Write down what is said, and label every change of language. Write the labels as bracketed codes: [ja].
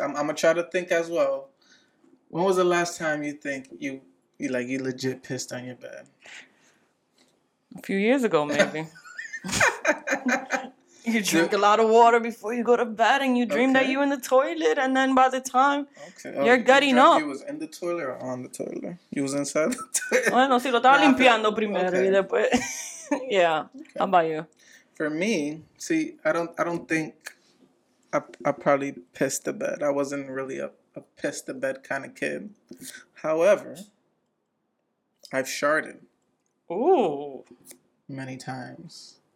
[en] I'm going to try to think as well. When was the last time you think you legit pissed on your bed? A few years ago, maybe. You drink a lot of water before you go to bed, and you dream that you're in the toilet, and then by the time you're getting up. He was in the toilet or on the toilet? He was inside the toilet. [es] Bueno, si lo estaba limpiando primero y después. [en] Yeah. Okay. How about you? For me, see, I don't think I probably pissed the bed. I wasn't really a pissed the bed kind of kid. However, I've sharted. Ooh. Many times.